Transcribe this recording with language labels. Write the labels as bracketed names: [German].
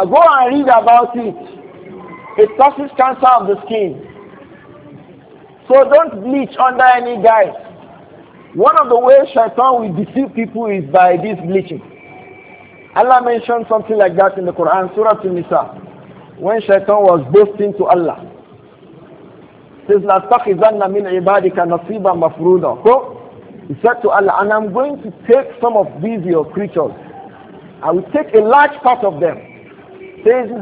[English] Go and read about it. It causes cancer of the skin. So don't bleach under any guise. One of the ways shaitan will deceive people is by this bleaching. Allah mentioned something like that in the Quran, Surah An-Nisa, when shaitan was boasting to Allah. He says, [Arabic] لَتَّخِذَنَّ مِنْ عِبَادِكَ نَصِيبًا مَفْرُودًا. [English] So, he said to Allah, and I'm going to take some of these your creatures. I will take a large part of them. He says, but